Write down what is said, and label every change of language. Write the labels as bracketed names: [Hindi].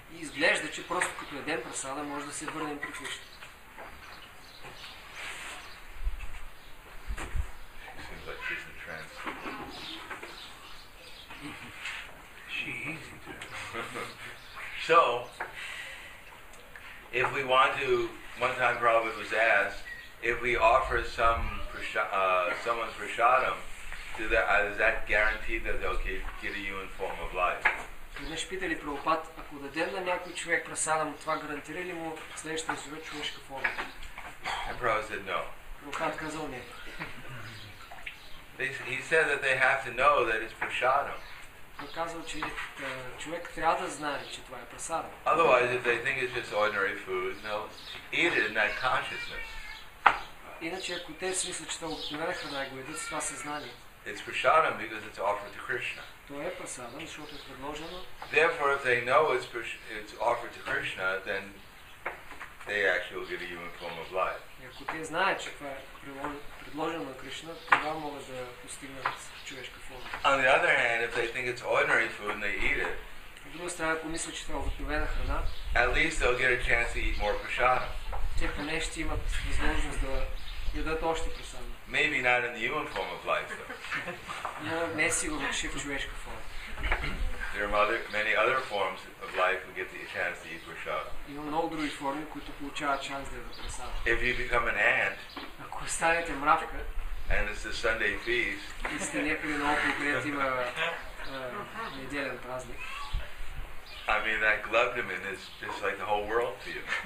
[Bulgarian] И изглежда, че просто като найдем прасада, може да се върнем при Кришна. [English] Seems like she's in trance. She's in trance. So, if we want to, one time Prabhupada was asked, if we offer someone's prasadam, does that guarantee that they'll get a human form of life? [Bulgarian] Веднъж питали Прабхупад, ако дадем на някой човек прасадам, това гарантира ли му следващия живот човешка форма? [English] And Prabhupada said no. [Bulgarian] Прабхупад казал не. [English] He said that they have to know that it's prasadam. [Bulgarian] Казал, че човек трябва да знае, че това е прасада. [English] Otherwise, if they think it's just ordinary food, they'll eat it in that consciousness. [Bulgarian] Иначе, ако те си мислят, че това обикновена храна и го едят с това съзнание. [English] It's prasadam because it's offered to Krishna. [Bulgarian] То е прасадам, защото е предложено. [English] Therefore, if they know it's offered to Krishna, then they actually will get a human form of life. [Bulgarian] И ако те знаят, че това е предложено на Кришна, това могат да постигнат човешка форма. [English] On the other hand, if they think it's ordinary food and they eat it, [Bulgarian] от друга страна, ако мислят, че това е обикновена храна, [English] at least they'll get a chance to eat more prasadam. [Bulgarian] Те поне ще имат възможност да ядат още прасадам. [English] Maybe not in the human form of life, though. [Bulgarian] Но не сигурно, че в човешка форма. [English] There are many other forms of life who get the chance to eat prasadam. [Bulgarian] Има много други форми, които получават шанс да ядат прасадам. [English] If you become an ant, [Bulgarian] ако станете мравка, [English] and it's a Sunday feast, [Bulgarian] и сте някъде на около, където има неделен празник. [English] I mean, that Glugdamin is just like the whole world to you.